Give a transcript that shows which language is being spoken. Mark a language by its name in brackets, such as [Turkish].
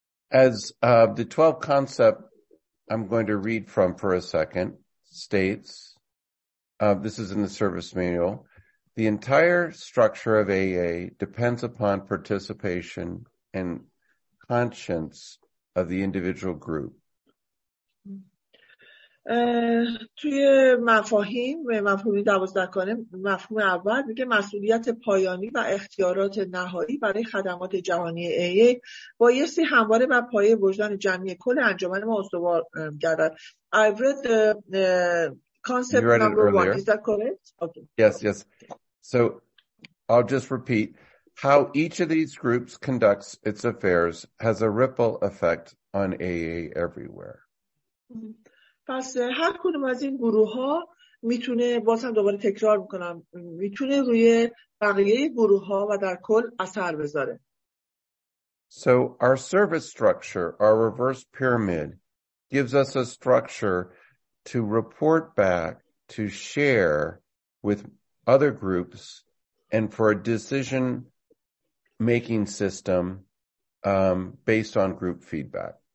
[English] As the 12 concept I'm going to read from for a second states, this is in the service manual, the entire structure of AA depends upon participation and conscience of the individual group. [Persian] توی مفاهیم مفهوم 12 مفهوم اول میگه مسئولیت پایانی و اختیارات نهایی برای خدمات جهانی AA بایستی همواره بر پایه وجدان جمعی کل انجمن ما استوار گردد. [English] I've read the concept number 1, is that correct? Okay. Yes. So I'll just repeat, how each of these groups conducts its affairs has a ripple effect on AA everywhere. [Persian] پس هر کدوم از این گروه ها میتونه، بازم دوباره تکرار میکنم، میتونه روی بقیه گروه ها و در کل اثر بذاره. [English] So our service structure, our reverse pyramid, gives us a structure to report back, to share with other groups, and for a decision making system based on group feedback.